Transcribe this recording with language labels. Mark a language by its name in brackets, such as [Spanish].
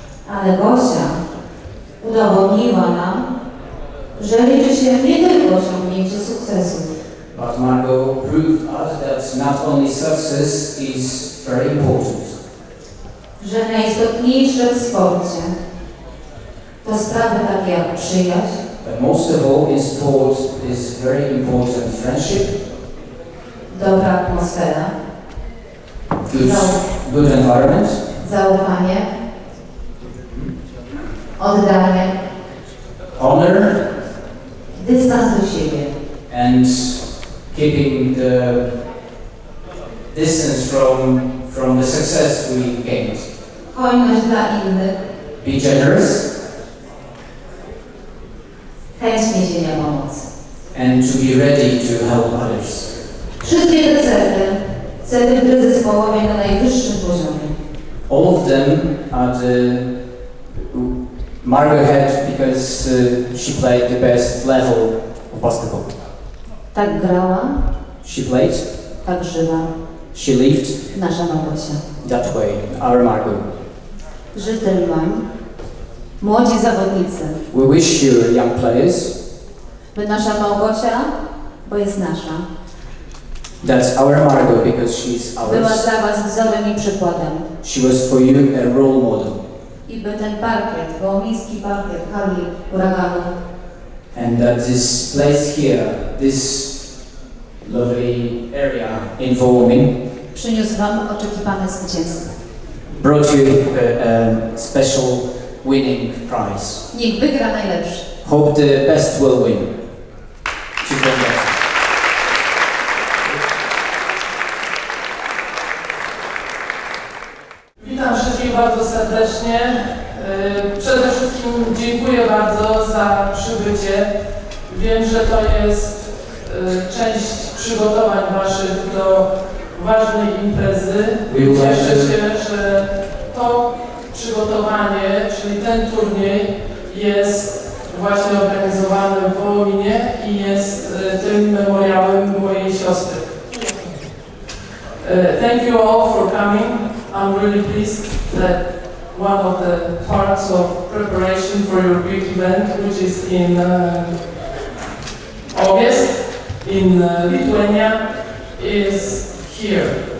[Polish] Ale Gosia udowodniła nam, że liczy się nie tylko osiągnięcie sukcesów. [English] But Margot proved us that not only success is very important. [Polish] Że najistotniejsze w sporcie to sprawy takie jak przyjaźń. [English] But most of all, in sport is very important friendship. [Polish] Dobra atmosfera. [English] Good environment. [Polish] Zaufanie. Oddanie. Honor. Dystans do siebie. [English] And keeping the distance from the success we gained. [Polish] Hojność dla innych. [English] Be generous. [Polish] Chęć niesienia pomocy. [English] And to be ready to help others. [Polish] Wszystkie te cechy gry zespołowej na najwyższym poziomie. [English] All of them are the Margot had because she played the best level of basketball. [Polish] Tak grała. [English] She played. [Polish] Tak żyła. [English] She lived. [Polish] Nasza Małgosia. [English] That way, our Margot. [Polish] Życzymy wam. Młodzi zawodnicy. [English] We wish you, young players. [Polish] By nasza Małgosia, bo jest nasza. [English] That's our Margot, because she is ours. [Polish] Była dla was wzorem i przykładem. [English] She was for you a role model. [Polish] I by ten parkiet, gołomiejski parkiet, hali uraganu. [English] And that this place here, this lovely area in Wołomin. [Polish] Przyniósł wam oczekiwane zwycięstwo. [English] Brought you a special winning prize. [Polish] Niech wygra najlepszy. [English] Hope the best will win. [Polish] Dziękuję. Witam wszystkich bardzo serdecznie. Przede wszystkim dziękuję bardzo za przybycie. Wiem, że to jest część przygotowań waszych do ważnej imprezy. Cieszę się, że to przygotowanie, czyli ten turniej jest właśnie organizowany w Wołominie i jest tym memoriałem mojej siostry. [English] Thank you all for coming. I'm really pleased that one of the parts of preparation for your big event, which is in August in Lithuania, is here.